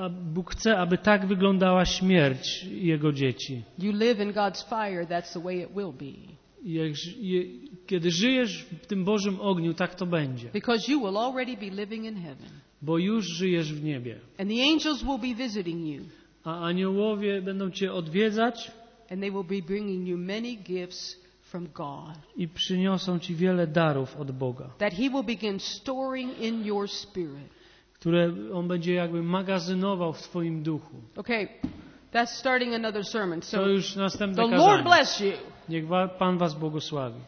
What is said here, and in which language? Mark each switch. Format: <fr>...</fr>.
<pl>Bóg chce, aby tak wyglądała śmierć jego dzieci.</pl> <en>You live in God's fire, that's the way it will be.</en> <pl>Kiedy żyjesz w tym Bożym ogniu, tak to będzie.</pl> <en>Because you will already be living in heaven.</en> <pl>Bo już żyjesz w niebie.</pl> <en>And the angels will be visiting you.</en> <pl>A aniołowie będą cię odwiedzać.</pl> <en>And they will be bringing you many gifts from God.</en> <pl>I przyniosą ci wiele darów od Boga.</pl> <en>That he will begin storing in your spirit.</en> <pl>Które on będzie jakby magazynował w twoim duchu.</pl> <en>Okay. That's starting another sermon. So</en> <pl>to już następne kazanie.</pl> <en>The Lord bless you.</en> <pl>Niech Pan was błogosławi.</pl>